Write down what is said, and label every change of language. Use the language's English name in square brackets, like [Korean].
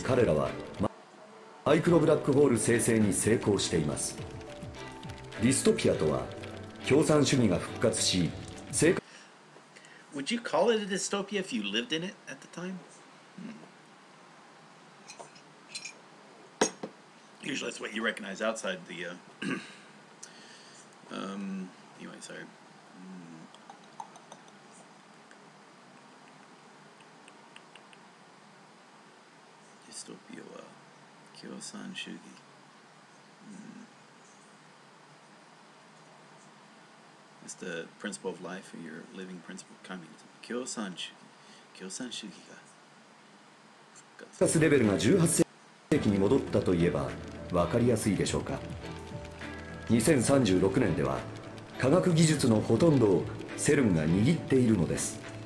[Japanese] 彼らはマイクロブラックホール生成に成功しています。ディストピアとは共産主義が復活し、正解 [English] Would you call it a dystopia if you lived in it at the time? usually that's what you recognize outside the, anyway, sorry. Dystopia, Kyosan Shugi. It's the principle of life, or your living principle of communism. Kyosan Shugi. [Japanese] レベルが18世紀に戻ったといえば分かりやすいでしょうか。 2036年では科学技術のほとんどをセルンが握っているのです。